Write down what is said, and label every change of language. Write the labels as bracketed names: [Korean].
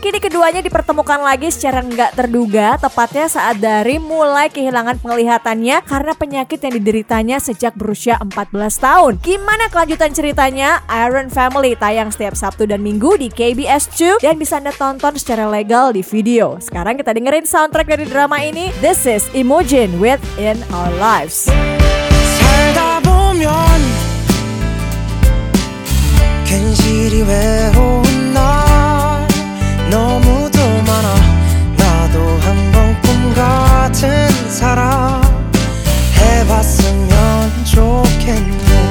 [Indonesian] Kini keduanya dipertemukan lagi secara enggak terduga, tepatnya saat Dae-rim mulai kehilangan penglihatannya karena penyakit yang dideritanya sejak berusia 14 tahun. Gimana kelanjutan ceritanya? Iron Family tayang setiap Sabtu dan Minggu di KBS 2 dan bisa Anda tonton secara legal di video. Sekarang kita dengerin soundtrack dari drama ini. [English] This is Imogen with In Our Lives. [Korean] 살다 보면 괜시리 외로운 날 너무도 많아 나도 한 번 꿈 같은 사람 해봤으면 좋겠네